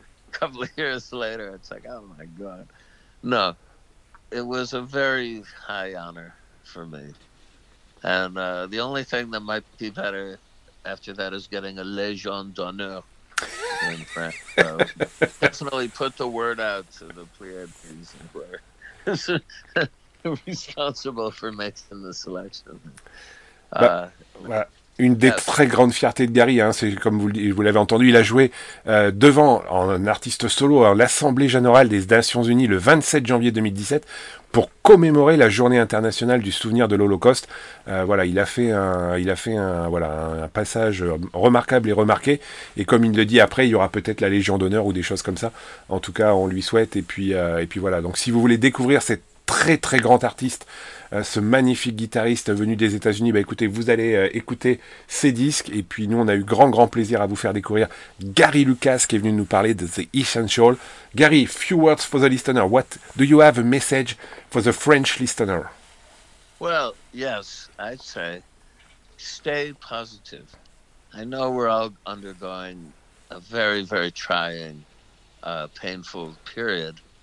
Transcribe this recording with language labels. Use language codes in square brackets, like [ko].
[en] Couple of years later, it's like, oh my god, no, it was a very high honor for me, and the only thing that might be better after that is getting a Légion d'honneur in France. So definitely put the word out to the Pleiades who are responsible for making the selection. [fr] Une des très grandes fiertés de Gary, hein, c'est comme vous l'avez entendu, il a joué devant un artiste solo à l'Assemblée générale des Nations Unies le 27 janvier 2017 pour commémorer la Journée internationale du souvenir de l'Holocauste. Voilà, il a fait un passage remarquable et remarqué. Et comme il le dit après, il y aura peut-être la Légion d'honneur ou des choses comme ça. En tout cas, on lui souhaite. Et puis voilà. Donc, si vous voulez découvrir cette très très grand artiste, ce magnifique guitariste venu des États-Unis, bah écoutez, vous allez écouter ses disques, et puis nous on a eu grand grand plaisir à vous faire découvrir Gary Lucas, qui est venu nous parler de The Essential. [en] Gary, few words for the listener. What do you have a message for the French listener? Well, yes, I'd say stay positive. I know we're all undergoing a very very trying painful period.